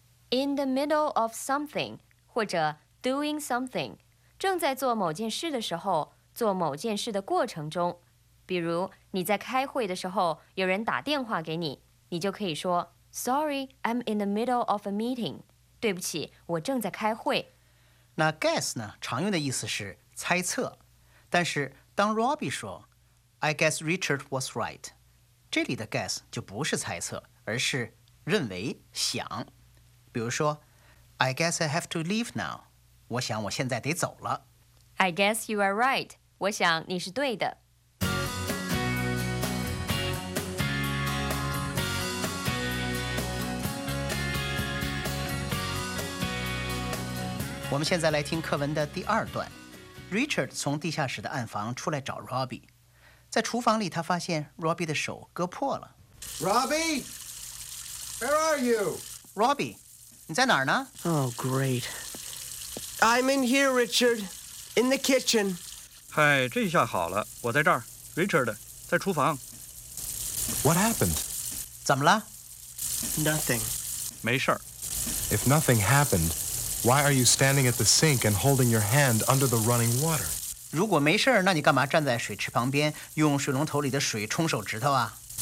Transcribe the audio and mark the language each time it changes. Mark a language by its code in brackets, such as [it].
[en] In the middle of something, [zh] 或者 [en] doing something, [zh] 正在做某件事的时候做某件事的过程中比如你在开会的时候有人打电话给你你就可以说 [en] Sorry, I'm in the middle of a meeting, [zh] 对不起我正在开会那 guess 呢常用的意思是猜测但是当 Robbie 说 [en] I guess Richard was right. [zh] 这里的 guess 就不是猜测，而是认为、想。比如说 [en] ，I guess I have to leave now. [zh] 我想我现在得走了。 [en] I guess you are right. [zh] 我想你是对的。我们现在来听课文的第二段。Richard 从地下室的暗房出来找 Robbie。在厨房里，他发现 Robbie 的手割破了。 [en] Robbie, where are you? [zh] Robbie, 你在哪儿呢 [en] ？Oh, great. I'm in here, Richard, in the kitchen. [zh] 嗨，这下好了，我在这儿。 Richard, 在厨房。 [en] What happened? [zh] 怎么了 [en] ？Nothing. [zh] 没事儿。 [en] If nothing happened, why are you standing at the sink and holding your hand under the running water? [zh] 如果没事儿，那你干嘛站在水池旁边，用水龙头里的水冲手指头啊